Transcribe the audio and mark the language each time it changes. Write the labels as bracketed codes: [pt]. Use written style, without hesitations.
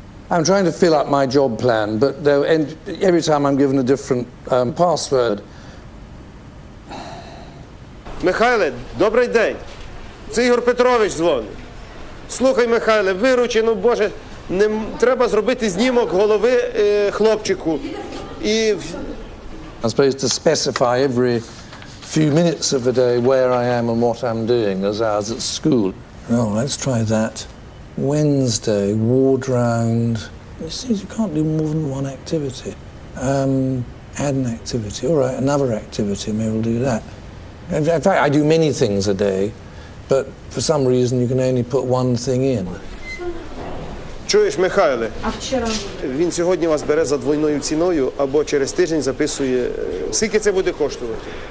[en] I'm trying to fill up my job plan, but every time I'm given a different password. [uk] Михайле, добрий день. Це Ігор Петрович дзвонить. Слухай, Михайле, виручи, ну, Боже, не треба зробити знімок голови хлопчику. І [en] I'm supposed to specify every few minutes of the day where I am and what I'm doing as I was at school. Oh, let's try that. Wednesday, ward round. It seems you can't do more than one activity. Add an activity. All right, another activity, maybe we'll do that. In fact, I do many things a day, but for some reason you can only put one thing in. [uk] Чуєш, Михайле? А вчора? Він сьогодні вас бере за двойною ціною, або через тиждень записує. Скільки це буде коштувати?